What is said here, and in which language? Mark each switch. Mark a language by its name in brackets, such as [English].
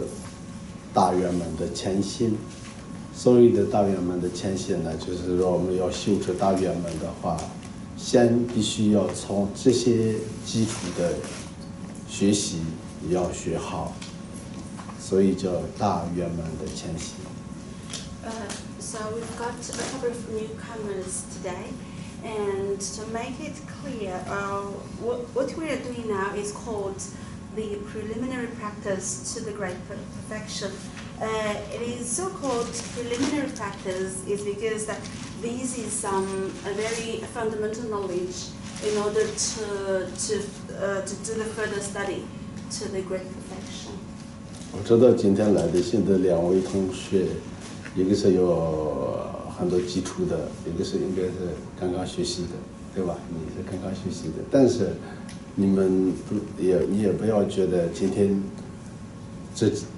[Chinese] 今天有几个性的，两个，就是这样。所以我们现在讲的这个呢，普贤上师演教呢，是大圆满的前心。所谓的大圆满的前行呢，就是说我们要修持大圆满的话，先必须要从这些基础的学习要学好，所以叫大圆满的前行。So [English] we've got a couple of newcomers today, and to make it clear, what we are doing now is called the preliminary practice to the great perfection. It is so-called preliminary practice is because that this is a very fundamental knowledge in order to do the further study to the great perfection. [Chinese] 我知道今天来的现在两位同学，一个是有很多基础的，一个是应该是刚刚学习的，对吧？你是刚刚学习的，但是你们不也不要觉得今天这。